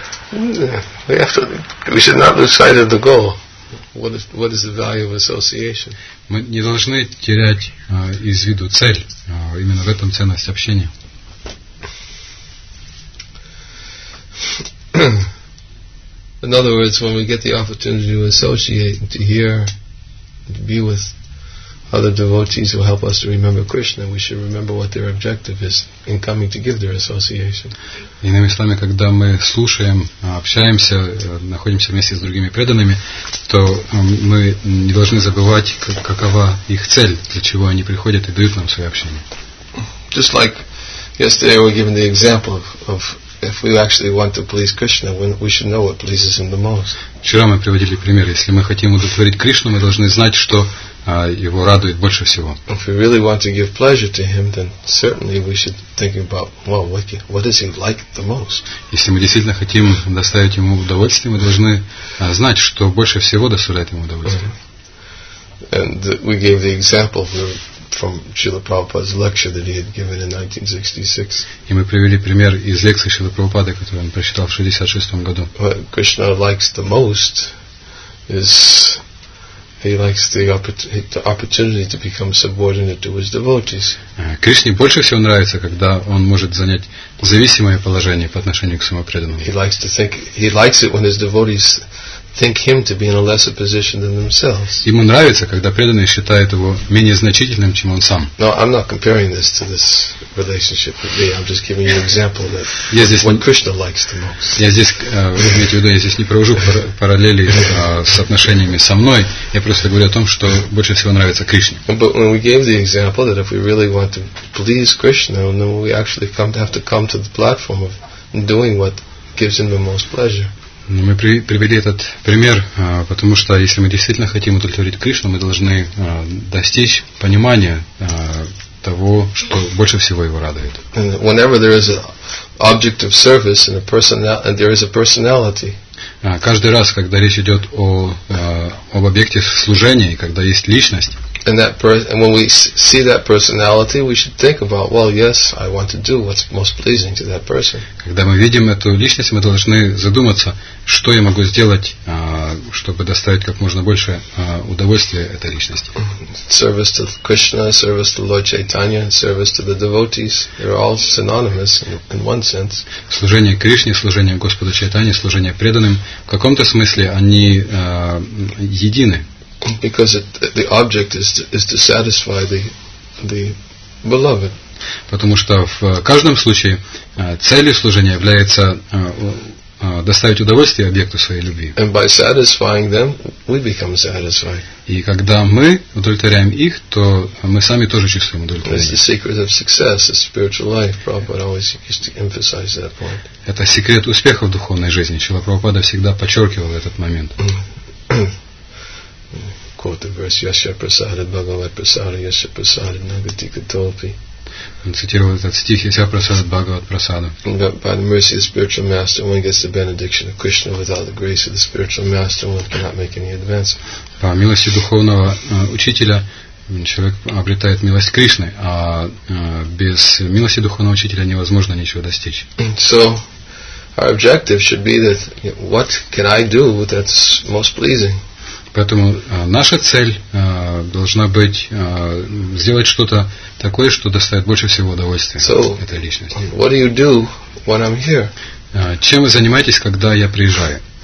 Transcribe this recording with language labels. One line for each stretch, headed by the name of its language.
English: We should not lose sight of the goal. What is the value of association?
Russian: Мы не должны терять из виду цель. Именно в этом ценность общения.
English: In other words, when we get the opportunity to associate, to hear, to be with other devotees who help us to remember Krishna, we should remember what their objective is in coming to give their association.
Russian: Иными словами, когда мы слушаем, общаемся, находимся вместе с другими преданными, то мы не должны забывать, какова их цель, для чего они приходят и дают нам свое общение.
English: Just like yesterday, we're given the example of if we actually want to please Krishna, we should know what pleases him the most.
Russian: Вчера мы приводили пример. Если мы хотим удовлетворить Кришну, мы должны знать, что его радует больше всего.
English: If we really want to give pleasure to him, then certainly we should think about, well, what does he like the most?
Russian: Если мы действительно хотим доставить ему удовольствие, мы должны знать, что больше всего доставляет ему удовольствие.
English: And we gave the example of from Srila Prabhupada's lecture that he had given in 1966.
Russian: И мы привели пример из лекции Шрилы Прабхупады, которую он прочитал в 66 году.
English: What Krishna likes the most is he likes the opportunity to become subordinate to his devotees.
Russian: Кришне больше всего нравится, когда он может занять зависимое положение по отношению к своему преданному.
English: He likes it when his devotees think him to be in a lesser position than themselves.
Russian: Ему нравится, когда преданный считает его менее значительным, чем он сам.
English: No, I'm not comparing this to this relationship with me. I'm just giving you an example that what Krishna likes the most.
Russian: Я здесь, вы имеете в виду, я здесь не провожу параллели с отношениями со мной. Я просто говорю о том, что больше всего нравится Кришне.
English: But when we gave the example that if we really want to please Krishna, then we actually have to come to the platform of doing what gives him the most pleasure.
Russian: Мы привели этот пример, потому что если мы действительно хотим удовлетворить Кришну, мы должны достичь понимания того, что больше всего его радует.
English: Whenever there is an object of service and a person, and there is a personality.
Russian: Каждый раз, когда речь идет об объекте служения, когда есть личность.
English: And when we see that personality, we should think about, well, yes, I want to do what's most pleasing to that person.
Russian: Когда мы видим эту личность, мы должны задуматься, что я могу сделать, чтобы доставить как можно больше удовольствия этой личности.
English: Service to Krishna, service to Lord Chaitanya, service to the devotees, they're all synonymous in one sense.
Russian: Служение Кришне, служение Господу Чайтане, служение преданным, в каком-то смысле они едины.
English: Because the object is to satisfy the beloved.
Russian: Потому что в каждом случае целью служения является доставить удовольствие объекту своей любви.
English: And by satisfying them, we become satisfied.
Russian: И когда мы удовлетворяем их, то мы сами тоже чувствуем удовлетворение.
English: It's the secret of success, the spiritual life. Prabhupada always used to emphasize that point.
Russian: Это секрет успеха в духовной жизни. Шрила Прабхупада всегда подчеркивал этот момент.
English: Quote the verse:
Sanskrit: Yasya prasada bhagavat prasada yasya prasada nagati katopi.
Russian: Он цитировал этот стих:
Sanskrit: Yasya prasada bhagavat prasada.
English: By the mercy of the spiritual master, one gets the benediction of Krishna. Without the grace of the spiritual master, one cannot make any advance.
Russian: По милости духовного учителя человек обретает милость Кришны, а без милости духовного учителя невозможно ничего достичь.
English: So our objective should be that, you know, what can I do that's most pleasing?
Russian: Поэтому наша цель должна быть сделать что-то такое, что доставит больше всего удовольствия этой личности.
English: What do you do when I'm here?
Russian: Чем вы занимаетесь, когда я приезжаю?